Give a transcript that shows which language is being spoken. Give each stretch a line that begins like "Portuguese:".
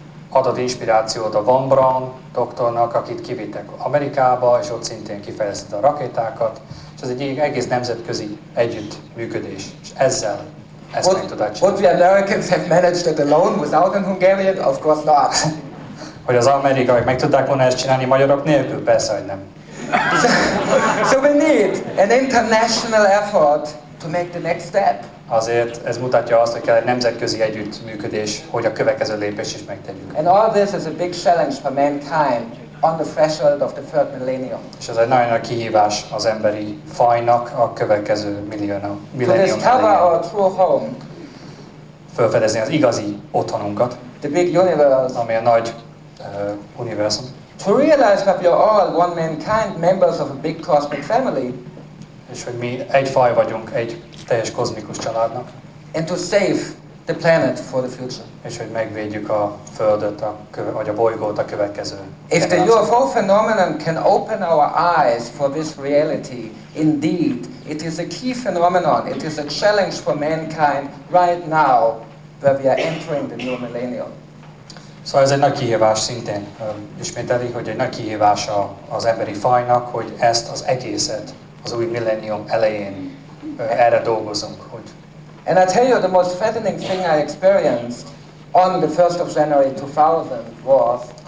Hungarian: adott inspirációt a Von Braun doktornak, akit kivittek Amerikába, és ott szintén kifejlesztette a rakétákat, és ez egy egész nemzetközi együttműködés, és ezzel ezt
English: would,
Hungarian: meg tudod csinálni.
English: Would the Americans have managed it alone without a Hungarian? Of course not.
Hungarian: Hogy az amerikaiak meg tudták volna ezt csinálni magyarok nélkül? Persze, hogy nem.
English: So we need an international effort to make the next step.
Hungarian: Azért ez mutatja azt, hogy kell egy nemzetközi együttműködés, hogy a következő lépés is megtegyük.
English: And all this is a big challenge for mankind on the threshold of the third millennium.
Hungarian: És ez egy nagyon nagy kihívás az emberi fajnak a következő millennium elején.
English: To discover our true home.
Hungarian: Felfedezni az igazi otthonunkat.
English: The big universe.
Hungarian: Ami a nagy univerzum.
English: To realize that we are all one mankind, members of a big cosmic family.
Hungarian: És hogy mi egy faj vagyunk, egy teljes kozmikus családnak.
English: And to save the planet for the future.
Hungarian: És hogy megvédjük a Földet, vagy a bolygót a következő.
English: If the UFO phenomenon can open our eyes for this reality, indeed, it is a key phenomenon, it is a challenge for mankind right now, where we are entering the new millennium.
Hungarian: Szóval ez egy nagy kihívás szintén, ismételi, hogy egy nagy kihívás az emberi fajnak, hogy ezt az egészet az új millennium elején erre dolgozunk, hogy...
English: And I tell you, the most threatening thing I experienced on the 1st of January 2000 was...